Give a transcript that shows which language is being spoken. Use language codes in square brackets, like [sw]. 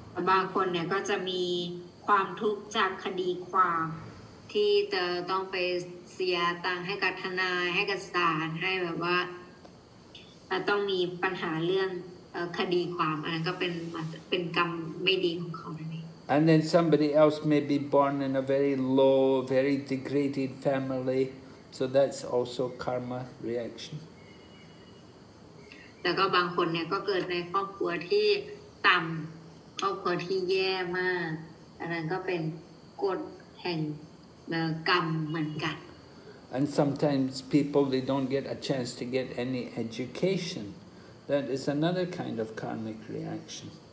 [th] บางคนเนี่ยก็จะมีความทุกข์จากคดีความที่จะต้องไปเสียตังค์ให้กับทนายให้กับศาลให้แบบว่าต้องมีปัญหาเรื่องคดีความอันนั้นก็เป็นกรรมไม่ดีของเขาเอง [en] And then somebody else may be born in a very low, very degraded family, so that's also karma reaction. [th] แล้วก็บางคนเนี่ยก็เกิดในครอบครัวที่ต่ำครอบครัวที่แย่มากอันนั้นก็เป็นกฎแห่งกรรมเหมือนกัน [en] And sometimes people they don't get a chance to get any education that is another kind of karmic reaction